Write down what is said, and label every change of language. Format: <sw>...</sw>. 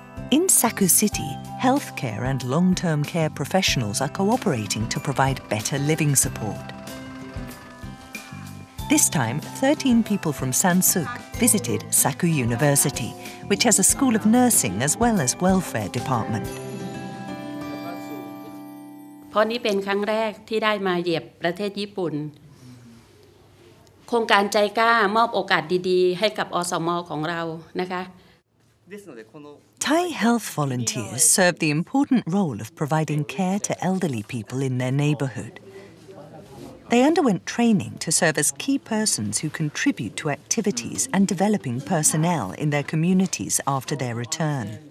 <en>In Saku City, healthcare and long-term care professionals are cooperating to provide better living support. This time, 13 people from Sansuk visited Saku University,which has a school of nursing as well as welfare department.</en> <th>เพราะนี้เป็นครั้งแรกที่ได้มาเหยียบประเทศญี่ปุ่นโครงการใจกล้ามอบโอกาสดีๆให้กับอสมของเรานะคะ</th> <en>Thai health volunteers serve the important role of providing care to elderly people in their neighborhood. They underwent training to serve as key persons who contribute to activities and developing personnel in their communities after their return.</en>